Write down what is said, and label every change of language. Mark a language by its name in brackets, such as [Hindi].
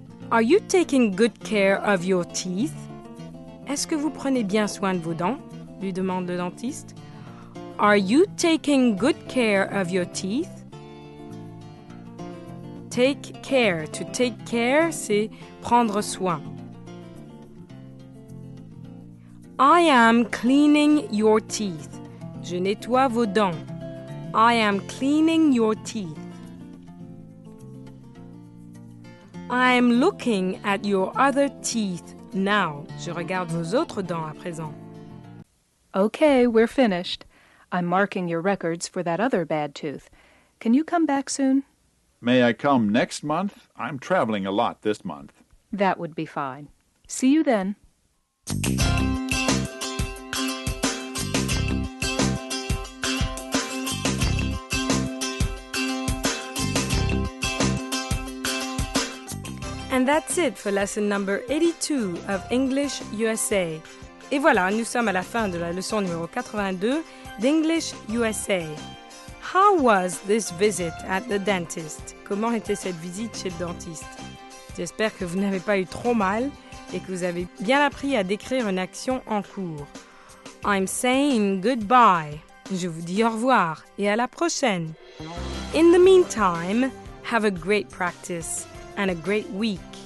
[English] Are you taking good care of your teeth? [French] Est-ce que vous prenez bien soin de vos dents? Lui demande le dentiste. [English] Are you taking good care of your teeth? Take care. To take care, [French] c'est prendre soin. [English] I am cleaning your teeth. [French] Je nettoie vos dents. [English] I am cleaning your teeth. I am looking at your other teeth now. [French] Je regarde vos autres dents à présent. [English] Okay, we're finished. I'm marking your records for that other bad tooth. Can you come back soon? May I come next month? I'm traveling a lot this month. That would be fine. See you then. And that's it for lesson number 82 of English USA. [French] Et voilà, nous sommes à la fin de la leçon numéro 82 d'English USA. [English] How was this visit at the dentist? [French] Comment était cette visite chez le dentiste? J'espère que vous n'avez pas eu trop mal et que vous avez bien appris à décrire une action en cours. [English] I'm saying goodbye. [French] Je vous dis au revoir et à la prochaine. [English] In the meantime, have a great practice and a great week.